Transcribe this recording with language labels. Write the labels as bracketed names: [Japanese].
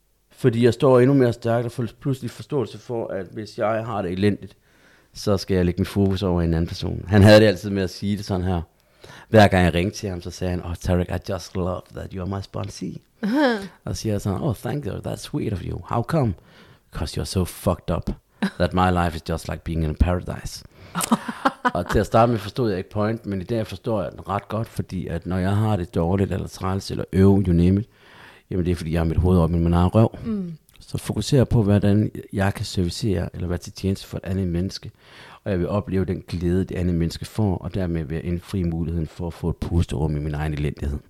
[Danish] Fordi jeg står endnu mere stærkt og får pludselig forståelse for, at hvis jeg har det elendigt, så skal jeg lægge min fokus over en anden person. Han havde det altid med at sige det sådan her. Hver gang jeg ringte til ham, så sagde han, [English] oh Tarek, I just love that you are my sponsee. [Danish] Og siger jeg sådan, [English] oh thank you, that's sweet of you. How come? Because you're so fucked up, that my life is just like being in a paradise. [Danish] Og til at starte med forstod jeg ikke point, men i dag forstår jeg den ret godt, fordi at når jeg har det dårligt, eller træls, eller øv, [English] you name it, [Danish] jamen det er fordi, jeg har mit hoved op i min egen røv. Mm. Så fokuserer på, hvordan jeg kan servicere, eller være til tjeneste for et andet menneske, og jeg vil opleve den glæde, det andet menneske får, og dermed vil jeg indfri muligheden for at få et pusterum i min egen elendighed.